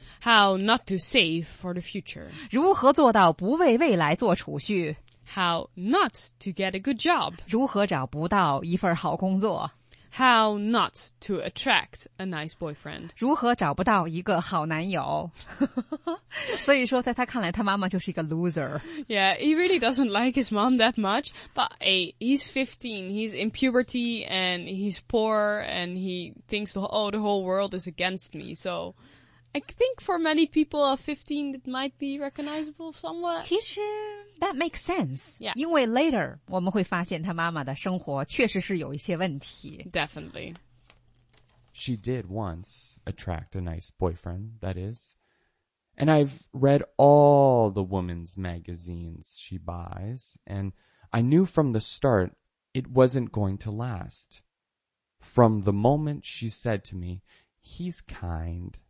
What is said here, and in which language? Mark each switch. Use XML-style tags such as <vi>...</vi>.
<en>How not to save for the future?</en> <zh>如何做到不为未来做储蓄</zh> <en>How not to get a good job?</en> <zh>如何找不到一份好工作</zh> <en>How not to attract a nice boyfriend.</en> <zh>如何找不到一个好男友。所以说在他看来他妈妈就是一个 loser.</zh> <en>Yeah, he really doesn't like his mom that much, but he's 15, he's in puberty, and he's poor, and he thinks, oh, the whole world is against me, so... I think for many people of 15, it might be recognizable somewhat. 其实 that makes sense. Yeah.</en> <zh>因为 later, 我们会发现她妈妈的生活确实是有一些问题。</zh> <en>Definitely. She did once attract a nice boyfriend, that is. And I've read all the women's magazines she buys, and I knew from the start it wasn't going to last. From the moment she said to me, he's kind...</en>